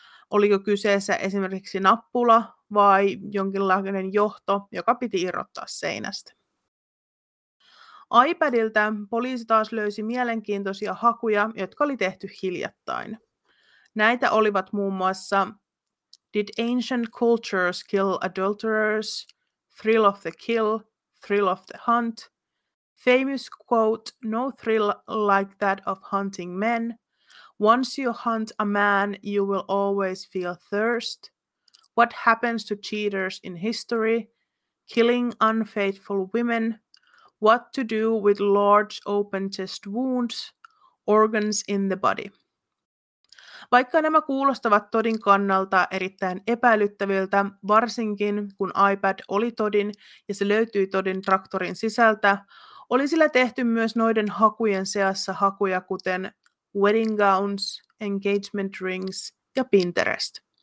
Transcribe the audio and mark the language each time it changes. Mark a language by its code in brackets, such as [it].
[fi] Oliko kyseessä esimerkiksi nappula vai jonkinlainen johto, joka piti irrottaa seinästä? iPadilta poliisi taas löysi mielenkiintoisia hakuja, jotka oli tehty hiljattain. Näitä olivat muun muassa [en] Did Ancient Cultures Kill Adulterers? Thrill of the Kill? Thrill of the Hunt? Famous quote, no thrill like that of hunting men. Once you hunt a man, you will always feel thirst. What happens to cheaters in history? Killing unfaithful women? What to do with large open chest wounds, organs in the body. [fi] Vaikka nämä kuulostavat Toddin kannalta erittäin epäilyttäviltä, varsinkin kun iPad oli Toddin ja se löytyi Toddin traktorin sisältä, oli sillä tehty myös noiden hakujen seassa hakuja kuten [en] wedding gowns, engagement rings [fi] ja Pinterest.